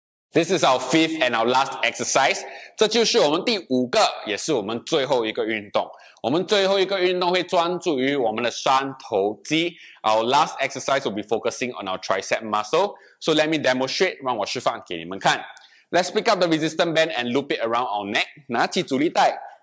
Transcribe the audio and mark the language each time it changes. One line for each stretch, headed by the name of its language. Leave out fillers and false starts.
English: This is our 5th and our last exercise.
Chinese: 这就是我们第五个，也是我们最后一个运动。我们最后一个运动会专注于我们的三头肌。
English: Our last exercise will be focusing on our tricep muscle. So let me demonstrate, 让我示范给你们看。 Let's pick up the resistance band and loop it around our neck.